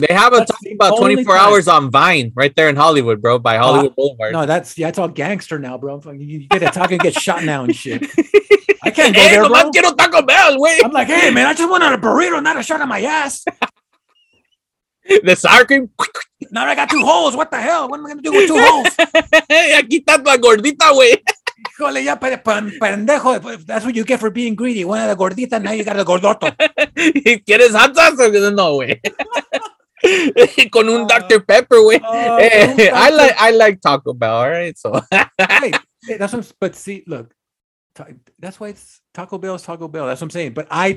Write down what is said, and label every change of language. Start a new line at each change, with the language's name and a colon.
English: They have a Taco Bell 24 time. Hours on Vine right there in Hollywood, bro, by Hollywood Boulevard. No, that's all gangster now, bro. You get a taco and get shot now and shit. I can't go there, bro. Get a Taco Bell, wait. I'm like, hey, man, I just wanted a burrito, not a shot on my ass. The sour cream. Now I got two holes. What the hell? What am I going to do with two holes?
Spanish: Hey, aquí está tu gordita, güey. Híjole, ya, pendejo.
English: That's what you get for being greedy. One of the gorditas, now you got a gordoto.
Spanish: ¿Quieres hot sauce? No, güey. Con un Dr. Pepper, güey.
English: Hey, I like Taco Bell, all right? So. That's why it's Taco Bell is Taco Bell. That's what I'm saying.